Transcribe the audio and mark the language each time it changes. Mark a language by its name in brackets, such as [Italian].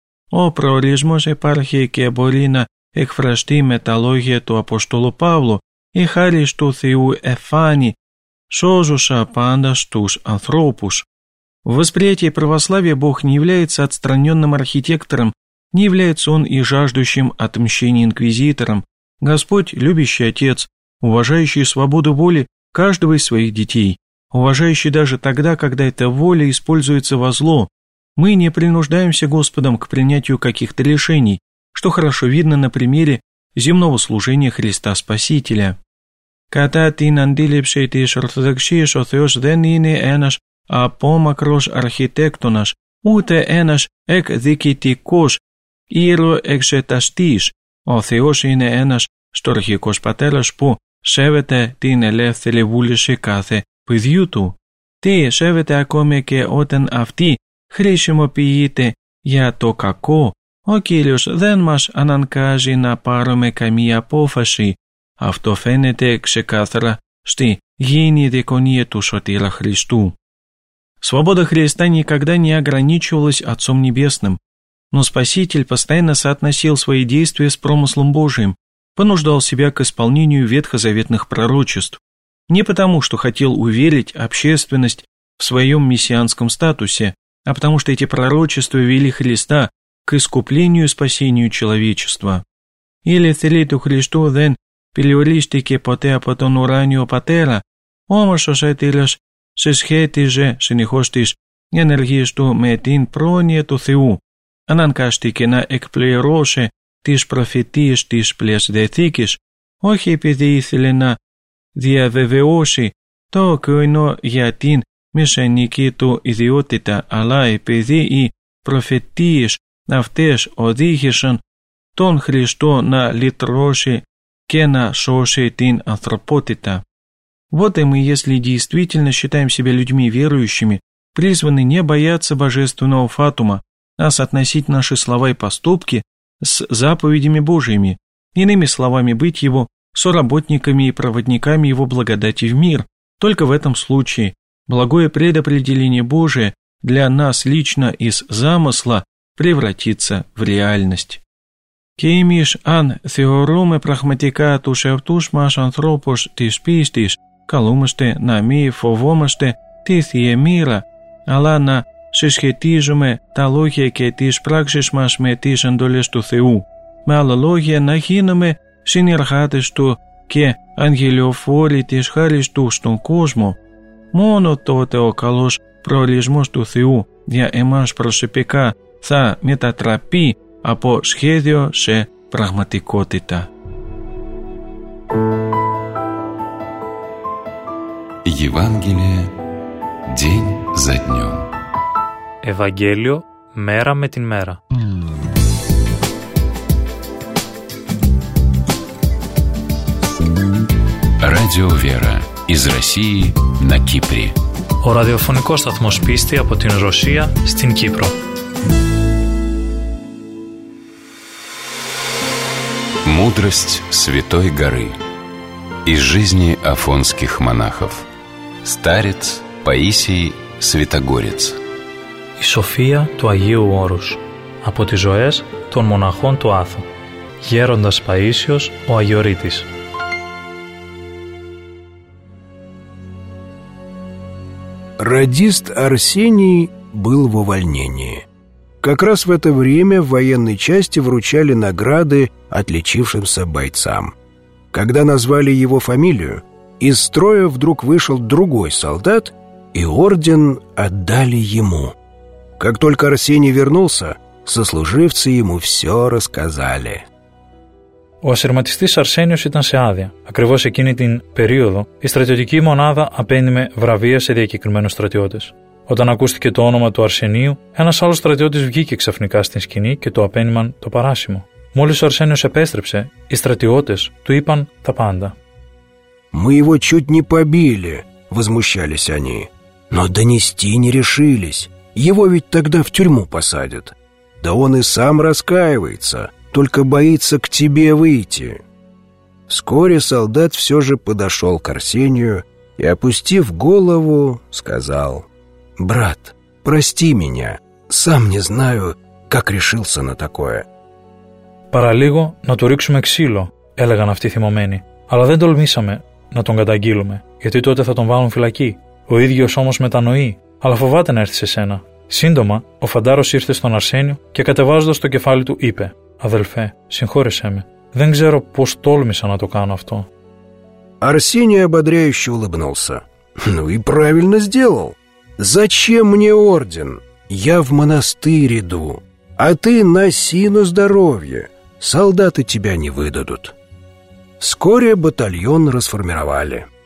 [Greek] Ο προορισμός υπάρχει και μπορεί να εκφραστεί με τα λόγια του Αποστόλου Παύλου: «Η χάρις του Θεού εφάνει, σώζουσα πάντα στους ανθρώπους». [Russian] В восприятии православия Бог не является отстраненным архитектором, не является Он и жаждущим отмщения инквизитором. Господь – любящий Отец, уважающий свободу воли каждого из своих детей, уважающий даже тогда, когда эта воля используется во зло. Мы не принуждаемся Господом к принятию каких-то решений, что хорошо видно на примере земного служения Христа Спасителя. [Greek] Κατά την αντίληψη της Ορθοδοξίας, ο Θεός δεν είναι ένας απόμακρος αρχιτέκτονας, ούτε ένας εκδικητικός ιεροεξεταστής. Ο Θεός είναι ένας στοργικός πατέρας που σέβεται την ελεύθερη βούληση κάθε παιδιού του. Τι σέβεται ακόμη και όταν αυτή χρησιμοποιείται για το κακό. Ο Κύριος δεν μας αναγκάζει να πάρουμε καμία απόφαση. Αυτό φαίνεται ξεκάθαρα στη γήινη διακονία του Σωτήρα Χριστού. [Russian] Свобода Христа никогда не ограничивалась Отцом Небесным, но Спаситель постоянно соотносил свои действия с промыслом Божиим, понуждал себя к исполнению ветхозаветных пророчеств. Не потому, что хотел уверить общественность в своем мессианском статусе, а потому что эти пророчества вели Христа к искуплению и спасению человечества. [Greek] Или Θελήτου Χριστού δεν περιορίστηκε ποτέ από τον ουράνιο πατέρα, όμως ο Σωτήρας συσχέτιζε συνεχώς τις ενεργείες του με την πρόνοια του Θεού, αναγκάστηκε να εκπληρώσει τις προφητείες της Παλαιάς Διαθήκης, όχι επειδή ήθελε να διαβεβαιώσει το κοινό για την μεσαινική του ιδιότητα, αλλά επειδή οι προφητείες αυτές οδήγησαν τον Χριστό να λυτρώσει και να σώσει την ανθρωπότητα. [Russian] Вот и мы, если действительно считаем себя людьми верующими, призваны не бояться божественного фатума, а соотносить наши слова и поступки с заповедями Божиими, иными словами, быть его соработниками и проводниками его благодати в мир. Только в этом случае благое предопределение Божие для нас лично из замысла превратится в реальность. [Greek] Кеймиш ан теоруме прагматика тус эвтус мас антропос тис пистис, καλούμαστε να μη φοβόμαστε τη Θεία Μοίρα, αλλά να συσχετίζουμε τα λόγια και τις πράξεις μας με τις εντολές του Θεού. Με άλλα λόγια, να γίνουμε συνεργάτες Του και αγγελιοφόροι της χάρης Του στον κόσμο. Μόνο τότε ο καλός προορισμός του Θεού για εμάς προσωπικά θα μετατραπεί από σχέδιο σε πραγματικότητα. [Russian] Евангелие день за днем. Евангелие мера [Greek] με την [Russian] мера. Радио Вера из России на Кипре. [Greek] ο ραδιοφωνικός σταθμός πίστη από την Ρωσία στην Κύπρο. [Russian] Мудрость Святой Горы из жизни афонских монахов. Старец Паисий Святогорец. [Greek] Η σοφία του Αγίου Όρους από τις ζωές των μοναχών του Άθου. Γέροντας Παΐσιος, ο Αγιορείτης. [Russian] Радист Арсений был в увольнении. Как раз в это время в военной части вручали награды отличившимся бойцам. Когда назвали его фамилию, из строя вдруг вышел другой солдат, и орден отдали ему. Как только Арсений вернулся, сослуживцы ему все рассказали. [Greek] Ο ασυρματιστής Αρσένιος ήταν σε άδεια. Ακριβώς εκείνη την περίοδο, η στρατιωτική μονάδα απένιμε βραβεία σε διακεκριμένους στρατιώτες. Όταν ακούστηκε το όνομα του Αρσενίου, ένας άλλος στρατιώτης βγήκε ξαφνικά στην σκηνή και του απένιμαν το παράσημο. Μόλις ο Αρσένιος επέστρεψε, οι στρατιώτες του είπαν τα πάντα. [Russian] «Мы его чуть не побили», — возмущались они. «Но донести не решились. Его ведь тогда в тюрьму посадят. Да он и сам раскаивается». Только боится к тебе выйти». Вскоре солдат все же подошел к Арсению и, опустив голову, сказал: «Брат, прости меня, сам не знаю, как решился на такое». [Greek] «Παραλίγο να του ρίξουμε ξύλο», έλεγαν αυτοί θυμωμένοι, «αλλά δεν τολμήσαμε να τον καταγγείλουμε, γιατί τότε θα τον βάλουν φυλακή. Ο ίδιος όμως μετανοεί, αλλά φοβάται να έρθει σε σένα». Σύντομα, ο φαντάρος ήρθε στον Αρσένιο και κατεβάζοντας το κεφάλι του είπε: «Αδελφέ, συγχώρεσέ με. Δεν ξέρω πώς τόλμησα να το κάνω αυτό». [Russian] Арсений ободряюще улыбнулся. «Ну и правильно сделал. Зачем мне орден? Я в монастырь иду. А ты носи на здоровье. Солдаты тебя не выдадут». Вскоре батальон расформировали.